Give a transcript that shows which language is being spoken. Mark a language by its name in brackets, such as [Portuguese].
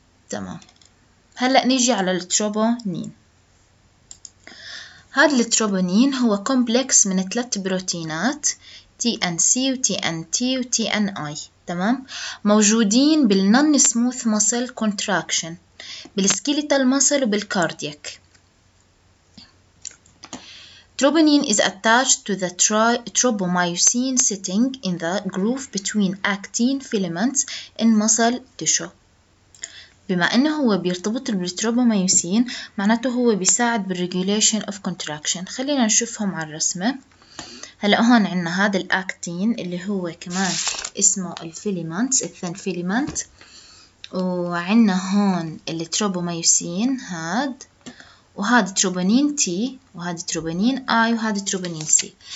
[Arabic] تمام، هلأ نيجي على التروبونين. هذا التروبونين هو كومبلكس من ثلاث بروتينات TNC و TNT و TNI، تمام؟ موجودين بالنون سموث مصل كونتراكشن، بالسكيليتال مصل وبالكاردياك. [English] Troponin is attached to the tropomyosin sitting in the groove between actin filaments in muscle tissue. [Arabic] بما انه هو بيرتبط بالتروبوميوسين معناته هو بيساعد بالريجوليشن اوف كونتراكشن. خلينا نشوفهم على الرسمه. هلا هون عندنا هذا الاكتين اللي هو كمان اسمه الفيليمنت الثن فيليمنت، وعندنا هون التروبوميوسين هاد، وهذا تروبونين تي، وهذا تروبونين اي، وهذا تروبونين سي.